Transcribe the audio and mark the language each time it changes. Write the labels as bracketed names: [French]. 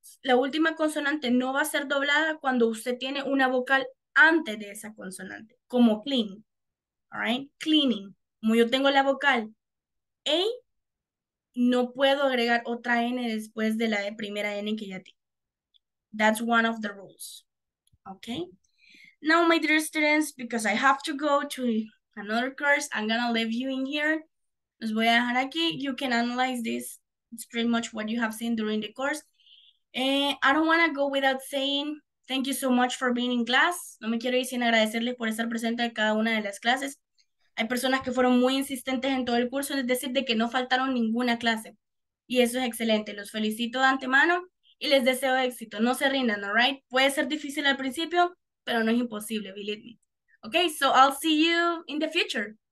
[Spanish] la última consonante no va a ser doblada cuando usted tiene una vocal antes de esa consonante, como clean. All right? Cleaning. Como yo tengo la vocal A, no puedo agregar otra N después de la de primera N que ya tengo. [English] That's one of the rules. Okay? Now, my dear students, because I have to go to another course, I'm gonna leave you in here. Los voy a dejar aquí. You can analyze this. It's pretty much what you have seen during the course. I don't want to go without saying thank you so much for being in class. [Spanish] No me quiero ir sin agradecerles por estar presente en cada una de las clases. Hay personas que fueron muy insistentes en todo el curso, es decir, de que no faltaron ninguna clase. Y eso es excelente. Los felicito de antemano y les deseo éxito. No se rindan, all right? Puede ser difícil al principio, pero no es imposible, believe me. [English] Okay, so I'll see you in the future.